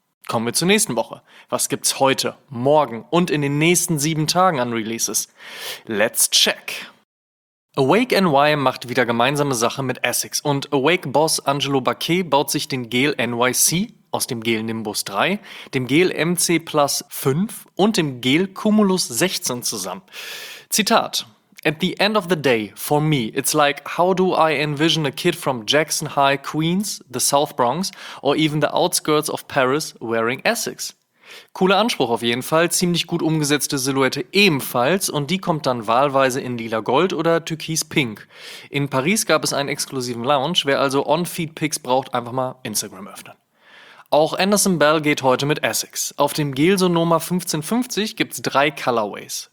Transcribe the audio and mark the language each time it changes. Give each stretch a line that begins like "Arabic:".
German: Kommen wir zur nächsten Woche. Was gibt's heute, morgen und in den nächsten 7 Tagen an Releases?
English: Let's check!
German: Awake NY macht wieder gemeinsame Sache mit Essex und Awake Boss Angelo Baquet baut sich den Gel NYC aus dem Gel Nimbus 3, dem Gel MC Plus 5 und dem Gel Cumulus 16 zusammen.
English: Zitat: At the end of the day, for me, it's like how do I envision a kid from Jackson High, Queens, the South Bronx or even the outskirts of Paris wearing Essex?
German: Cooler Anspruch auf jeden Fall, ziemlich gut umgesetzte Silhouette ebenfalls und die kommt dann wahlweise in lila Gold oder türkis Pink. In Paris gab es einen exklusiven Lounge, wer also On-Feed-Pics braucht, einfach mal Instagram öffnen. Auch Anderson Bell geht heute mit Essex. Auf dem Gel Sonoma 1550 gibt's 3 Colorways.